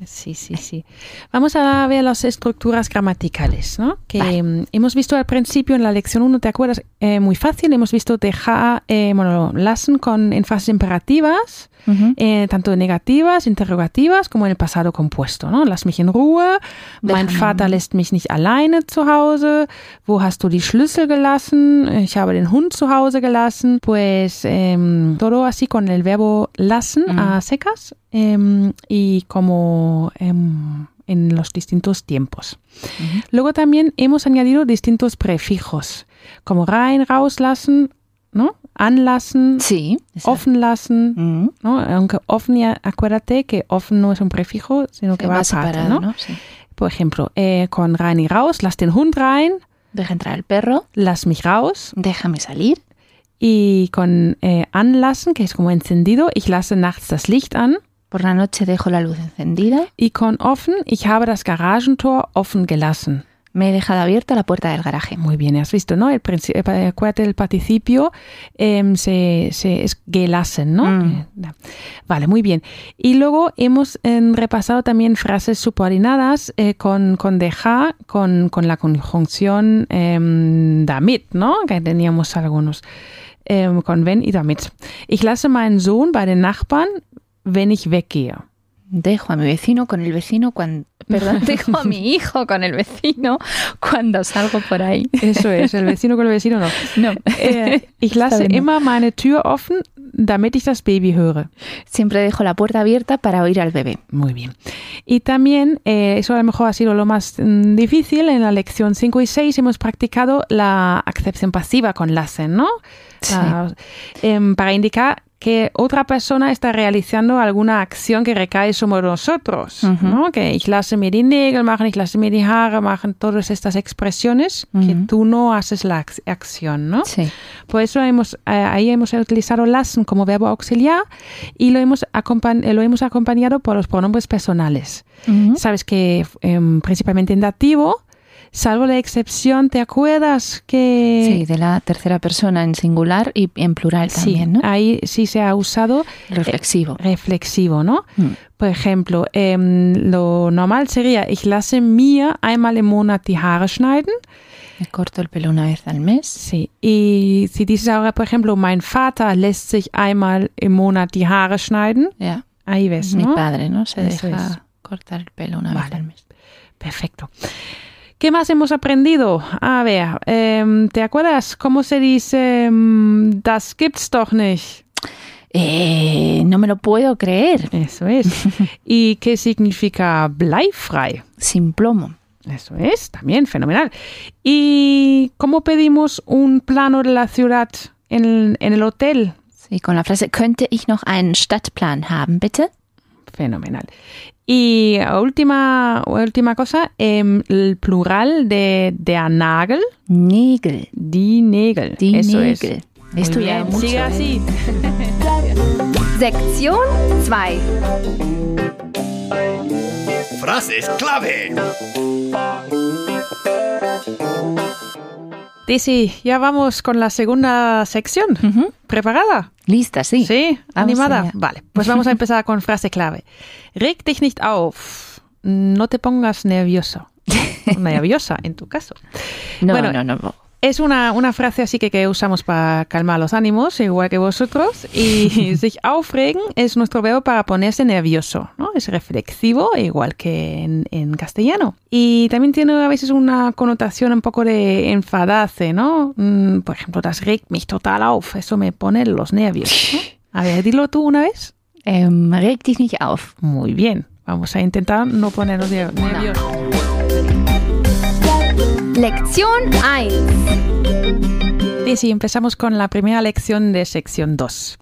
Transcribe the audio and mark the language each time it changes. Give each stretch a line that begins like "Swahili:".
Spanish: Sí, sí, sí. Vamos a ver las estructuras gramaticales, ¿no? Que vale. Hemos visto al principio en la lección 1, ¿te acuerdas? Muy fácil, hemos visto lassen con énfasis imperativas, uh-huh. Tanto negativas, interrogativas, como en el pasado compuesto, ¿no?
German: Lass mich in Ruhe, mein Vater lässt mich nicht alleine zu Hause, wo hast du die Schlüssel gelassen, ich habe den Hund zu Hause gelassen.
Spanish: Pues todo así con el verbo lassen uh-huh. a secas. Y como en los distintos tiempos. Uh-huh. Luego también hemos añadido distintos prefijos, como rein, rauslassen, ¿no?
German: Anlassen,
Spanish: sí, offenlassen, uh-huh. ¿no? Aunque offen, ya acuérdate que offen no es un prefijo, sino que sí, va aparte, separado, ¿no? ¿no? Sí. Por ejemplo, con rein y raus,
German: lass den Hund rein.
Spanish: Deja entrar el perro.
German: Lass mich raus.
Spanish: Déjame salir. Y con anlassen, que es como encendido,
German: ich lasse nachts das Licht an.
Spanish: Por la noche dejo la luz encendida. Y con offen,
German: ich habe das Garagentor offen gelassen.
Spanish: Me he dejado abierta la puerta del garaje. Muy bien, has visto, ¿no? Acuérdate del participio, es gelassen, ¿no? Mm. Vale, muy bien. Y luego hemos repasado también frases subordinadas con dejar, con la conjunción damit, ¿no? Que teníamos algunos. Con wenn y damit.
German: Ich lasse meinen Sohn bei den Nachbarn, wenn ich weggehe.
Spanish: Dejo a mi vecino con el vecino dejo a mi hijo con el vecino cuando salgo por ahí. Eso es, el vecino con el vecino no. No.
German: Ich lasse immer meine Tür offen, damit ich das Baby höre.
Spanish: Siempre dejo la puerta abierta para oír al bebé. Muy bien. Y también, eso a lo mejor ha sido lo más difícil, en la lección 5 y 6 hemos practicado la acepción pasiva con lassen, ¿no? Sí. Para indicar que otra persona está realizando alguna acción que recae sobre nosotros, uh-huh. ¿no? Que
German: ich lasse mir die Nägel machen, ich lasse mir die Haare machen,
Spanish: todas estas expresiones uh-huh. que tú no haces la acción, ¿no? Sí. Por eso hemos utilizado lassen como verbo auxiliar y lo hemos acompañado por los pronombres personales. Uh-huh. Sabes que principalmente en dativo, salvo la excepción, ¿te acuerdas que...? Sí, de la tercera persona en singular y en plural también, sí, ¿no? Sí, ahí sí se ha usado... Reflexivo. Reflexivo, ¿no? Por ejemplo, lo normal sería,
German: ich lasse mir einmal im Monat die Haare schneiden.
Spanish: Me corto el pelo una vez al mes. Sí, y si dices ahora, por ejemplo,
German: mein Vater lässt sich einmal im Monat die Haare schneiden. Ja.
Spanish: Ahí ves, mi ¿no? Mi padre, ¿no? Se Eso deja es. Cortar el pelo una vale. vez al mes. Perfecto. ¿Qué más hemos aprendido? A ver, ¿te acuerdas cómo se dice
German: das gibt's doch nicht?
Spanish: No me lo puedo creer. Eso es. ¿Y qué significa bleifrei? Sin plomo. Eso es, también fenomenal. ¿Y cómo pedimos un plano de la ciudad en el hotel? Sí, con la frase
German: könnte ich noch einen Stadtplan haben, bitte.
Spanish: Fenomenal. Y última cosa, el plural de der Nagel.
German: Nägel. Die Nägel. Die
Spanish: Eso
German: Nägel.
Spanish: Es. Muy bien. Mucho, sigue así. Sección 2. Frases clave. Daisy, ya vamos con la segunda sección. Uh-huh. ¿Preparada? Lista, sí. ¿Sí? ¿Animada? Vale, pues vamos a empezar con frase clave.
German: Reg dich nicht auf.
Spanish: No te pongas nervioso. Nerviosa, en tu caso. No, bueno, no. Es una frase así que usamos para calmar los ánimos, igual que vosotros. Y sich aufregen es nuestro verbo para ponerse nervioso, ¿no? Es reflexivo, igual que en castellano. Y también tiene a veces una connotación un poco de enfadarse, ¿no? Por ejemplo,
German: das regt mich total auf.
Spanish: Eso me pone los nervios, ¿no? A ver, dilo tú una vez.
German: Reg dich nicht auf.
Spanish: Muy bien. Vamos a intentar no ponernos nerviosos. No. Lección 1. Sí, empezamos con la primera lección de sección 2.